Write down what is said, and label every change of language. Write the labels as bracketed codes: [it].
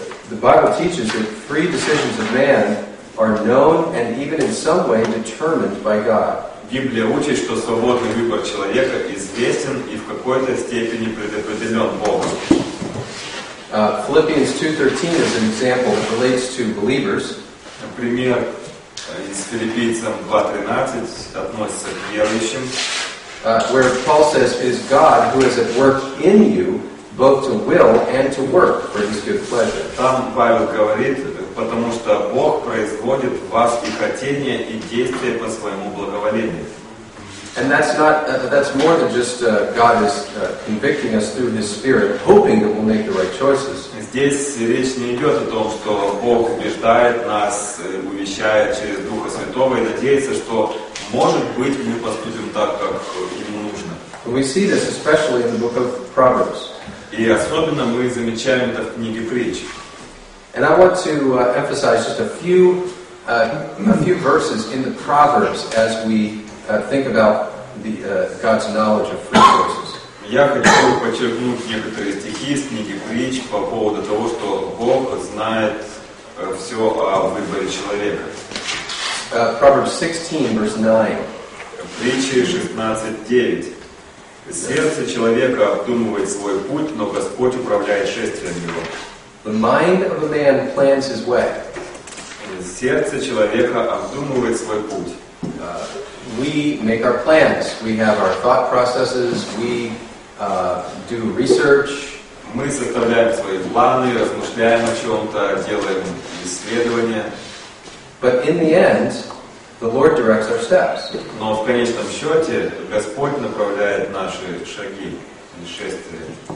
[en] The Bible teaches that free decisions of man are known and even in some way determined by God. [ru] Библия учит, что свободный выбор человека известен и в какой-то степени предопределен Богом. [en] Philippians 2:13 is an example that relates to believers. [ru] Например, из Филиппийцам 2:13 относится к верующим. [en] Where Paul says, "It is God who is at work in you, both to will and to work for His good pleasure." [ru] Там Павел говорит, потому что Бог производит в вас и хотение, и действие по своему благоволению. [en] And that's more than just God is convicting us through His Spirit, hoping that we'll make the right choices. [ru] Здесь речь не идет о том, что Бог убеждает нас, увещает через Духа Святого и надеется, что может быть мы поступим так, как ему нужно. [en] And we see this especially in the book of Proverbs. [ru] И особенно мы замечаем это в книге Притч. [en] And I want to emphasize just a few verses in the Proverbs as we think about God's knowledge of free choices. [ru] Я хочу подчеркнуть некоторые стихи из книги Притч по поводу того, что Бог знает все о выборе человека. [en] Proverbs 16, verse 9. [ru] Притчи 16:9. Сердце человека обдумывает свой путь, но Господь управляет шествием его. [en] The mind of a man plans his way. [ru] Сердце человека обдумывает свой путь. [en] We make our plans. We have our thought processes. We do research. [ru] Мы составляем свои планы, размышляем о чем-то, делаем исследования. [en] But in the end, the Lord directs our steps. [ru] Но в конечном счете Господь направляет наши шаги и шествия.